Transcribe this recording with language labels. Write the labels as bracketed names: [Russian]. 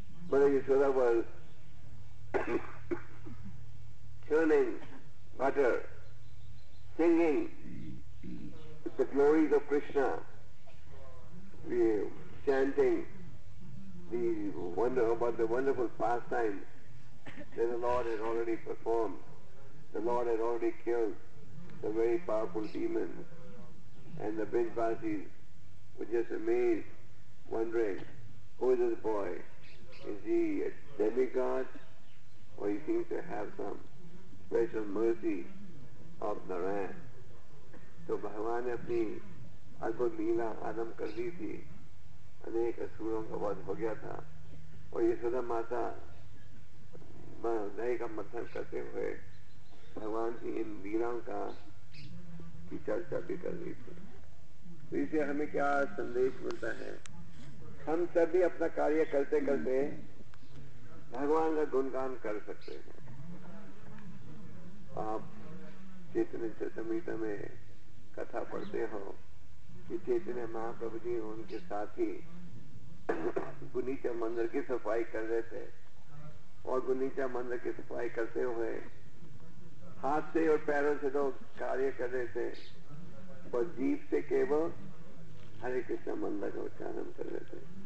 [English] बड़े Yashoda while churning butter singing the glories of Krishna we chanting the wonder about the wonderful pastime that the Lord has already perform. The Lord had already killed the very powerful demon, and the Brijvasis were just amazed, wondering, who is this boy? Is he a demigod? Or he seems to have some special mercy of Narayan. [Hindi] So Bhagavan had apni adbhut leela aarambh kar di thi, anek asuron ka vadh ho gaya tha, aur Yashoda Mata nayi ka manthan karte hue भगवान की इन लीलाओं का चर्चा भी कर रही थी. तो इसे हमें क्या संदेश मिलता है, हम सभी अपना कार्य करते करते भगवान का गुणगान कर सकते हैं. आप चैतन्य चतुर्मिता में कथा पढ़ते हो कि चैतन्य महाप्रभु जी उनके साथ ही गुनीचा मंदिर की सफाई कर रहे थे, और गुनीचा मंदिर की सफाई करते हुए हाथ से और पैरों से तो कार्य कर रहे थे, पर जीभ से केवल हरे कृष्ण मंदिर का उच्चारण कर रहे थे.